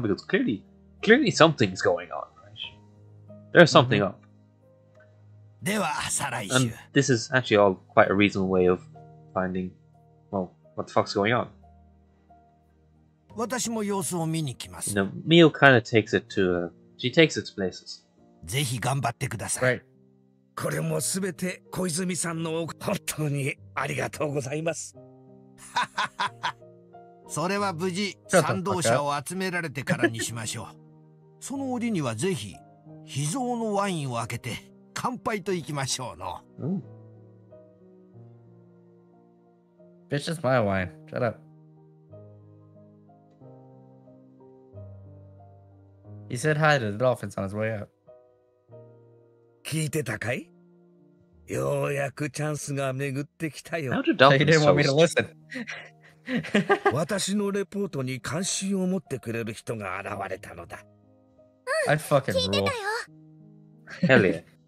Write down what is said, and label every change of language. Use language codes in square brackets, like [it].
[en] Because clearly something's going on, right? There's something mm-hmm. up. And this is actually all quite a reasonable way of finding, well, what the fuck's going on. You know, Mio kind of takes it to she takes it to places. [ja] ぜひ頑張ってください。 [en] Right. [ja] これもすべて小泉さんの本当にありがとうございます。それは無事賛同者を集められてからにしましょう。その折にはぜひ秘蔵のワインを開けて乾杯といきましょうの。 [en] Bitch, it's my wine. Shut up. He said hi to the dolphins on his way up. [ja] 聞いてたかい? ようやくチャンスが巡ってきたよ。 [en] How do dolphins so want me to listen? [ja] 私のレポートに関心を持ってくれる人が現れたのだ。 [en] うん、I fucking rule. [ja] 聞いてたよ。 [en] Hell yeah.